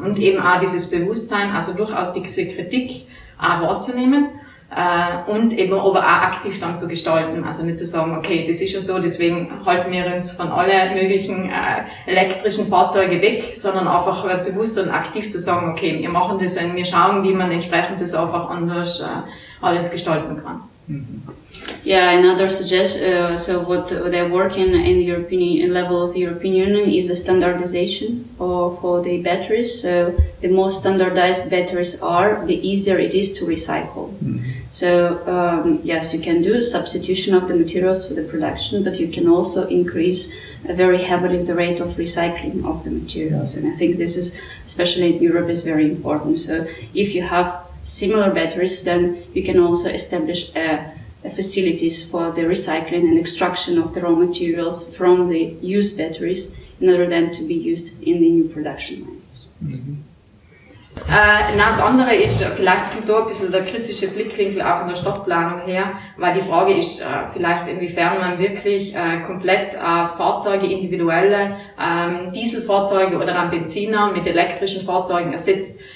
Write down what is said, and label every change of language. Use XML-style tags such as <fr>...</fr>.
<de>Und eben auch dieses Bewusstsein, also durchaus diese Kritik auch wahrzunehmen und eben aber auch aktiv dann zu gestalten. Also nicht zu sagen, okay, das ist ja so, deswegen halten wir uns von allen möglichen elektrischen Fahrzeugen weg, sondern einfach bewusst und aktiv zu sagen, okay, wir machen das und wir schauen, wie man entsprechend das einfach anders alles gestalten kann. Mhm.</de> <en>Yeah, another suggestion, so what they're working in the European level of the European Union is a standardization for the batteries. So the more standardized batteries are, the easier it is to recycle. Mhm. So, yes, you can do substitution of the materials for the production, but you can also increase very heavily the rate of recycling of the materials. And I think this is, especially in Europe, is very important. So if you have similar batteries, then you can also establish facilities for the recycling and extraction of the raw materials from the used batteries in order then to be used in the new production lines. Mm-hmm.</en> <de>Das andere ist, vielleicht kommt da ein bisschen der kritische Blickwinkel auch von der Stadtplanung her, weil die Frage ist vielleicht, inwiefern man wirklich komplett Fahrzeuge, individuelle Dieselfahrzeuge oder einen Benziner mit elektrischen Fahrzeugen ersetzt.</de>